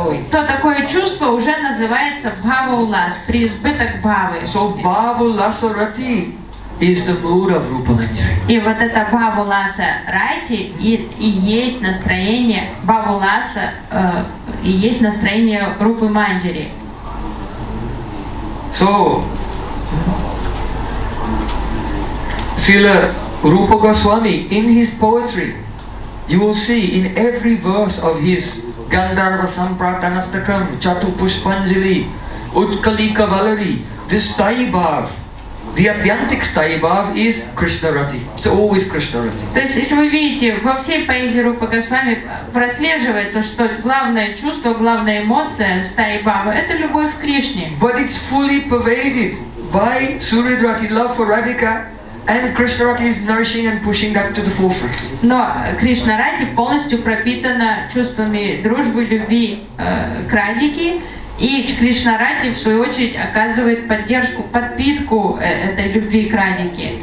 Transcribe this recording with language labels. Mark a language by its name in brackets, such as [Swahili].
[Russian] то такое чувство уже называется Бхава Улас, преизбыток Бхавы. [English] So Бхава Уласа Рати is the mood of Rupa Manjari. [Russian] И вот это Бхава Уласа Рати и есть настроение Бхава Уласа, и есть настроение Рупы Манджари. [English] So, Srila Rupa Goswami, in his poetry, you will see in every verse of his Gandharva Sampratanastakam, Chatu Pushpanjali, Utkalika Valari, this Stai Bhav, the Adhyantik Stai Bhav is Krishna Rati. It's always Krishna Rati. [Russian] То есть, если вы видите, во всей поэзии Рупа Госвами прослеживается, что главное чувство, главная эмоция Стай Бхава – это любовь к Кришне. [English] But it's fully pervaded by Suridrati, love for Radhika, and Krishna Rati is nourishing and pushing that to the forefront. [Russian] Но Кришна Рати полностью пропитана чувствами дружбы, любви к Радике, и Кришна Рати, в свою очередь, оказывает поддержку, подпитку этой любви к Радике.